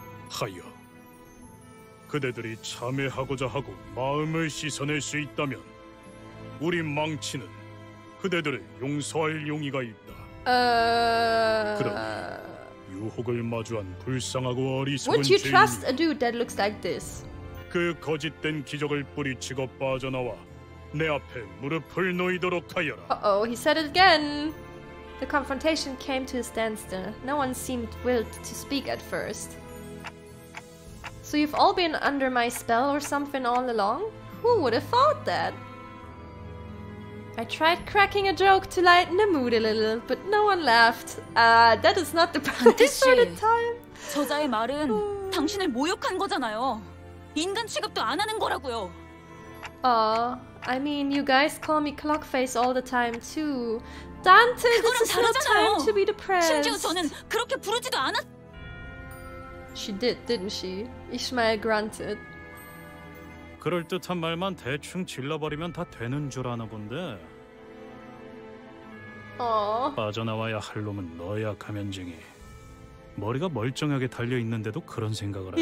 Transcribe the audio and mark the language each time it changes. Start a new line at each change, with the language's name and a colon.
Korean: 하여 그대들이 참회하고자 하고 마음을 씻어낼 수 있다면 우리 망치는 그대들을 용서할 용의가 있다. 그럼 유혹을 마주한 불쌍하고 어리석은 죄인이
English: Would you trust a dude that looks like this?
Korean: 그 거짓된 기적을 뿌리치고 빠져나와 내 앞에 무릎을 놓이도록 하여라.
English: Uh-oh, he said it again. The confrontation came to a standstill. No one seemed willed to speak at first. So you've all been under my spell or something all along? Who would have thought that? I tried cracking a joke to lighten the mood a little, but no one laughed. That is not the proper time.
Korean: 저자의 말은 당신을 모욕한 거잖아요. 인간 취급도 안 하는 거라고요.
English: I mean, you guys call me clockface all the time too. Dante, this is not time to be depressed.
Korean: 심지어 저는 그렇게 부르지도 않았.
English: She did, didn't she? Ishmael grunted.
Korean: 그럴듯한 말만 대충 질러버리면 다 되는 줄 아나 본데. 빠져나와야 할 놈은 너야 가면쟁이. 머리가 멀쩡하게 달려 있는데도 그런 생각을 하니?